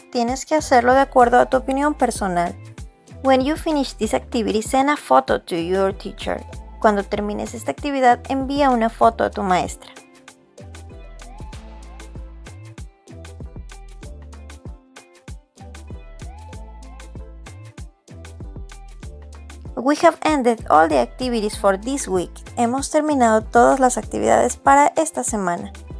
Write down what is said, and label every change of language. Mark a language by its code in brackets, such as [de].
[es] Tienes que hacerlo de acuerdo a tu opinión personal. [en] When you finish this activity, send a photo to your teacher. [es] Cuando termines esta actividad, envía una foto a tu maestra. [en] We have ended all the activities for this week. [es] Hemos terminado todas las actividades para esta semana.